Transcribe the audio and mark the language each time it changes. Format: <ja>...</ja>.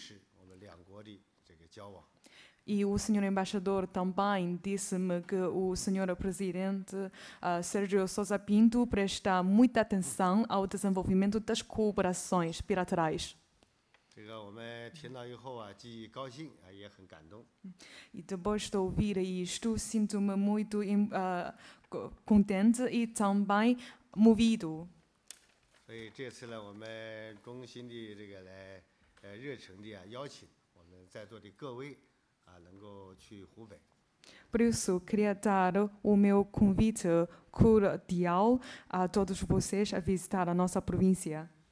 <zh>也讲到我们主席先生非常重视我们两国的这个交往。</zh> <pt>E o senhor embaixador também disse-me que o senhor presidente Sérgio Sousa Pinto presta muita atenção ao desenvolvimento das cooperações bilaterais.</pt> <zh>这个我们听到以后啊，既高兴啊，也很感动。</zh> <pt>E depois de ouvir isto, sinto-me muito contente e também movido.</pt> <zh>所以这次呢，我们衷心的这个来热诚的邀请我们在座的各位啊，能够去湖北。</zh> <pt>Por isso, queria dar o meu convite cordial a todos vocês a visitar a nossa província.</pt>